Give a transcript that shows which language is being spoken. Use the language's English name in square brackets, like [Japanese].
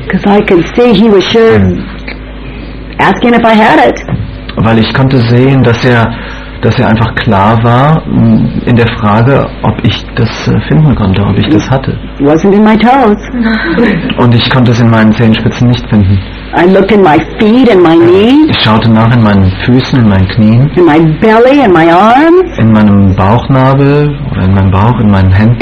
[English] 'Cause I could see he was sure asking if I had it. [German] Weil ich konnte sehen, dass er einfach klar war in der Frage, ob ich das finden konnte, ob ich das hatte. [English] Wasn't in my toes. [German] Und ich konnte es in meinen Zehenspitzen nicht finden. [English] I looked in my feet and my knees. [German] Ich schaute nach in meinen Füßen, in meinen Knien. [English] In my belly and my arms. [German] In meinem Bauch, Bauchnabel oder in meinem Bauch, in meinen Händen.